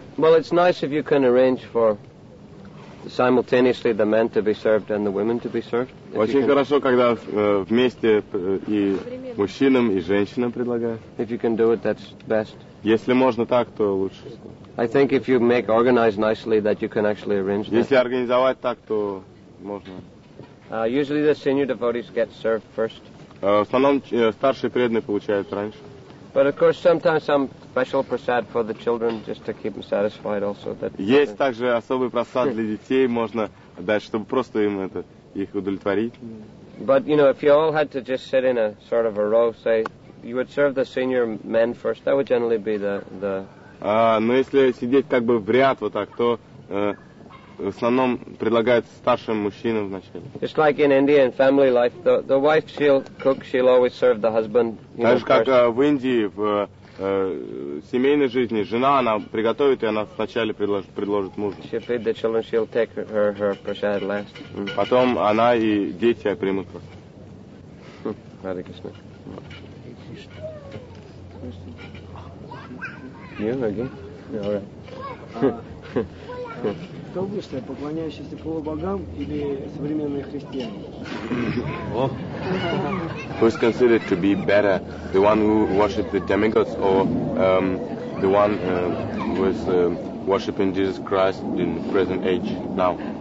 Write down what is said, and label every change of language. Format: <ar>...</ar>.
<en>Well, it's nice if you can arrange for simultaneously the men to be served and the women to be served.</en> <ru>Очень хорошо, когда вместе и мужчинам, и женщинам предлагают.</ru> <en>If you can do it, that's best.</en> <ru>Если можно так, то лучше.</ru> <en>I think if you make organize nicely, that you can actually arrange that.</en> <ru>Если организовать так, то можно.</ru> <en>Usually the senior devotees get served first.</en> <ru>В основном старшие преданные получают раньше.</ru> <en>But of course, sometimes some special prasad for the children, just to keep them satisfied, also. That</en> <ru>есть также особый просад для детей, можно дать, чтобы просто им это их удовлетворить.</ru> <en>But you know, if you all had to just sit in a sort of a row, say, you would serve the senior men first. That would generally be the.</en> <ru>Но если сидеть как бы в ряд вот так, то в основном предлагают старшим мужчинам вначале.</ru> <en>It's like in India in family life, the wife she'll cook, she'll always serve the husband.</en> <ru>Так же как в Индии в семейной жизни жена она приготовит и она вначале предложит мужу.</ru> <en>She'll feed the children, she'll take her prasad last.</en> <ru>Потом она и дети примут просто.</ru> <en>Hare Krishna.</en> <ru>Кто выше, поклоняющийся полубогам или современные христиане?</ru> <en>Who is considered to be better, the one who worships the demigods or the one who is worshiping Jesus Christ in present age now?</en>